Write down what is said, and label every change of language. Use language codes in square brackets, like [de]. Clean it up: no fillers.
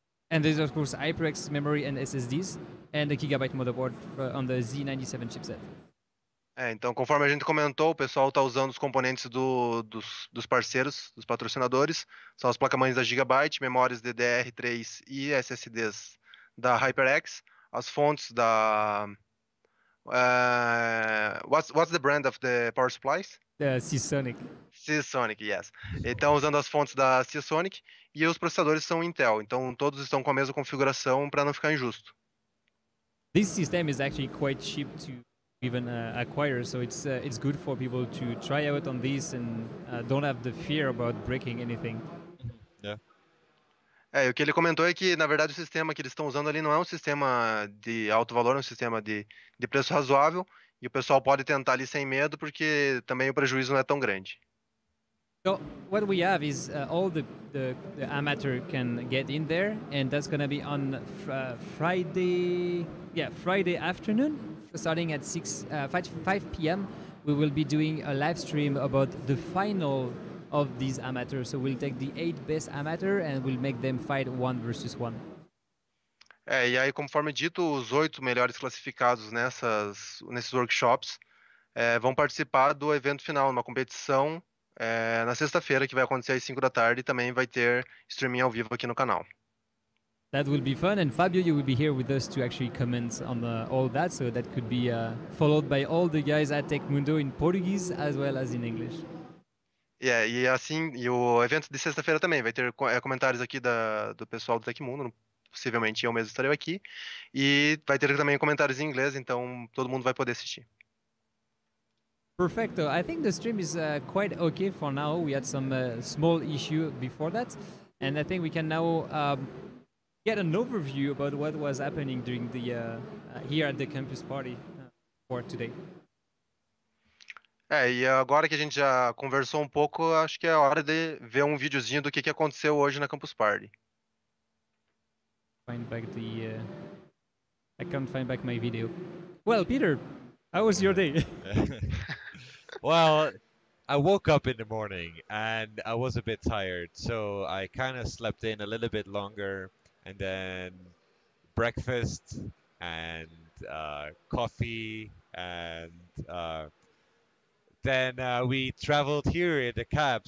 [en] And there's of course HyperX memory and SSDs and the gigabyte motherboard on the Z97 chipset. [pt] É, então, conforme a gente comentou, o pessoal está usando os componentes dos parceiros, dos patrocinadores. São as placas-mães da Gigabyte, memórias DDR3 e SSDs da HyperX. As fontes da. [en] What's the brand of the power supplies? The Seasonic. Seasonic, yes. [pt] Então, usando as fontes da Seasonic e os processadores são Intel. Então, todos estão com a mesma configuração para não ficar injusto. [en] This system is actually quite cheap to even acquire, so it's good for people to try out on this and don't have the fear about breaking anything. [pt] É, o que ele comentou é que, na verdade, o sistema que eles estão usando ali não é um sistema de alto valor, é um sistema de preço razoável, e o pessoal pode tentar ali sem medo, porque também o prejuízo não é tão grande. [en] So what we have is all the amateur can get in there, and that's gonna be on Friday afternoon, starting at 6 5 p.m. We will be doing a live stream about the final of these amateurs. So we'll take the eight best amateur and we'll make them fight one versus one. [pt] É, e aí, conforme dito, os oito melhores classificados nesses workshops vão participar do evento final, numa competição na sexta-feira, que vai acontecer às 5 da tarde, e também vai ter streaming ao vivo aqui no canal. [en] That will be fun, and Fabio, you will be here with us to actually comment on all that. So that could be followed by all the guys at Tecmundo in Portuguese as well as in English. [pt] E assim, e o evento de sexta-feira também vai ter comentários aqui do pessoal do Tecmundo. Possivelmente eu mesmo estarei aqui. E vai ter também comentários em inglês, então todo mundo vai poder assistir. Perfecto. [en] I think the stream is quite okay for now. We had some small issue before that, and I think we can now get an overview about what was happening during the here at the campus party for today. [pt] É, e agora que a gente já conversou um pouco, acho que é hora de ver um videozinho do que aconteceu hoje na Campus Party. [en] Find back the I can't find back my video. Well, Peter, how was your day? Well, I woke up in the morning and I was a bit tired, so I kind of slept in a little bit longer, and then breakfast and coffee, and then we traveled here in the cab.